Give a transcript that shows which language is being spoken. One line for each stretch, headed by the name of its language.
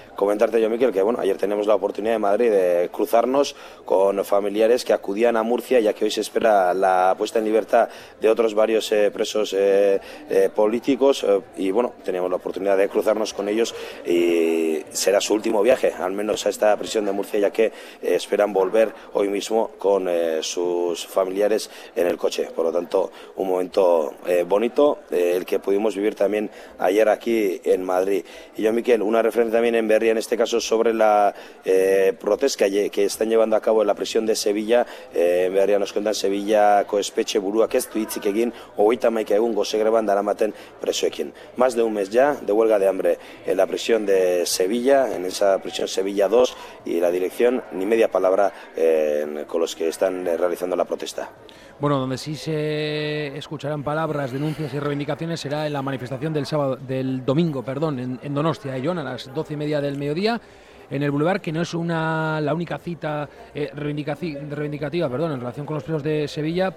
Spanish: Comentarte yo, Miquel, que bueno, ayer tenemos la oportunidad en Madrid de cruzarnos con familiares que acudían a Murcia, ya que hoy se espera la puesta en libertad de otros varios presos políticos, y bueno, teníamos la oportunidad de cruzarnos con ellos, y será su último viaje, al menos a esta prisión de Murcia, ya que esperan volver hoy mismo con sus familiares en el coche. Por lo tanto, un momento bonito, el que pudimos vivir también ayer aquí en Madrid. Y yo, Miquel, una referencia también en Berria, en este caso sobre la protesta que están llevando a cabo en la prisión de Sevilla. En Berria nos
Basque: askotan Sevillako espetxe buruak ez du hitzik egin 31 egun goze greban daramaten presoekin.
Spanish: Más de un mes ya de huelga de hambre en la prisión de Sevilla, en esa prisión Sevilla 2, y la dirección ni media palabra con los que están realizando la protesta. Bueno, donde sí se escucharán palabras, denuncias y reivindicaciones será en la manifestación del sábado, del domingo, perdón, en Donostia, Jon, a las 12:30 del mediodía, en el Boulevard, que no es una la única cita reivindicativa, perdón, en relación con los presos de Sevilla.